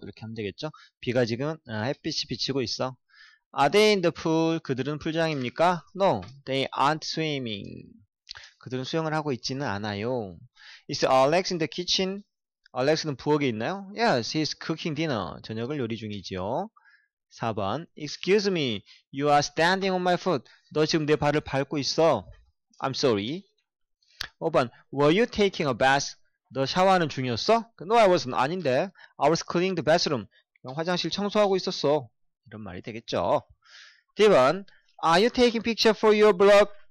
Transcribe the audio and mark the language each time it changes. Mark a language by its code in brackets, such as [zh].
[ko] 이렇게 하면 되겠죠? 비가 지금 햇빛이 비치고 있어. [en] 'Are they in the pool?' [ko] 그들은 풀장입니까? [en] 'No, they aren't swimming.' [ko] 그들은 수영을 하고 있지는 않아요. [en] Is Alex in the kitchen? [ko] Alex는 부엌에 있나요? [en] Yes, he's cooking dinner. [ko] 저녁을 요리 중이지요. 4번. [en] Excuse me, you are standing on my foot. [ko] 너 지금 내 발을 밟고 있어. [en] I'm sorry. 5번. Were you taking a bath? [ko] 너 샤워하는 중이었어? [en] No, I wasn't. [ko] 아닌데. [en] I was cleaning the bathroom. [ko] 화장실 청소하고 있었어. 이런 말이 되겠죠. 7번. [en] Are you taking picture for your blog?